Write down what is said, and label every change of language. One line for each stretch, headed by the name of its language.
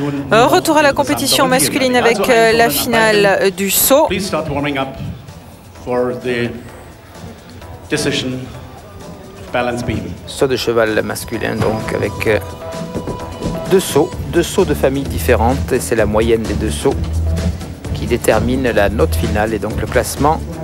French: Retour à la compétition masculine avec la finale du saut.
English: Please start warming up for the decision of balance beam.
French: Saut de cheval masculin donc avec deux sauts de familles différentes, et c'est la moyenne des deux sauts qui détermine la note finale et donc le classement.